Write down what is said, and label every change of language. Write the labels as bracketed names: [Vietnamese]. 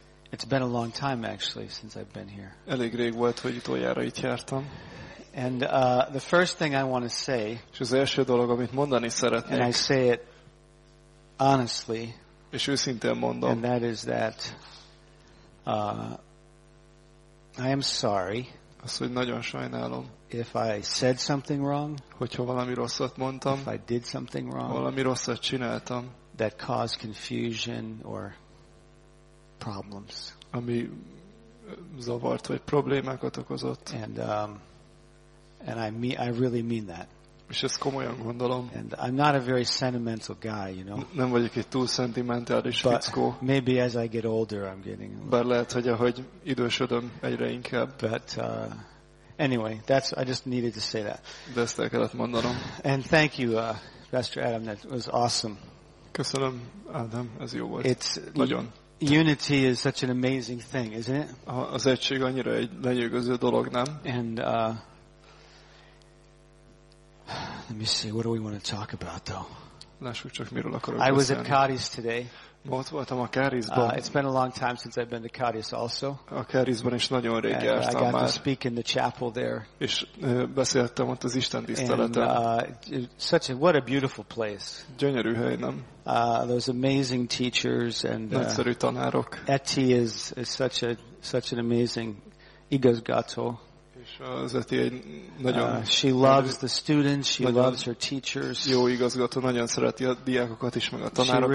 [English] It's been a long time actually since I've been here. [Hungarian] Elég rég volt, hogy utoljára itt jártam. [English] And the first thing I want to say, [Hungarian] és az első dolog, amit mondani szeretnék, [English] and I say it honestly, [Hungarian] és őszintén mondom, [English] and that is that I am sorry. [Hungarian] Azt, hogy nagyon sajnálom. [English] If I said something wrong, [Hungarian] hogyha valami rosszat mondtam, [English] if I did something wrong, [Hungarian] valami rosszat csináltam, [English] that caused confusion or problems, [Hungarian] ami zavart vagy problémákat okozott. [English] And I really mean that. [Hungarian] És ezt komolyan gondolom. [English] And I'm not a very sentimental guy, you know. [Hungarian] Nem vagyok egy túl szentimentális fickó. [English] Maybe as I get older, I'm getting. [Hungarian] Bár lehet, hogy ahogy idősödöm, egyre inkább. [English] But anyway, I just needed to say that. [Hungarian] De ezt el kellett mondanom. [English] And thank you, Pastor Adam. That was awesome. [Hungarian] Köszönöm, Adam. Ez jó volt. [English] It's [Hungarian] nagyon. [English] Unity is such an amazing thing, isn't it? [Hungarian] Az egység annyira egy lenyűgöző dolog, nem? [English] And let me see. What do we want to talk about, though? [Hungarian] Lássuk csak, miről akarok beszélni. [English] I was at Cádiz today. [Hungarian] Most voltam a Cádizban. [English] It's been a long time since I've been to Cádiz, also. [Hungarian] A Cádizban is nagyon rég jártam már. [English] I got to speak in the chapel there. [Hungarian] És beszéltem ott az istentiszteleten. [English] And what a beautiful place. [Hungarian] Gyönyörű hely, nem? [English] Those amazing teachers and [Hungarian] nagyszerű tanárok. [English] Eti is such an amazing [Hungarian] igazgató. És Eti egy nagyon [English] she loves the students, she loves her teachers. [Hungarian] Jó igazgató, nagyon szereti a diákokat is, meg a tanárokat.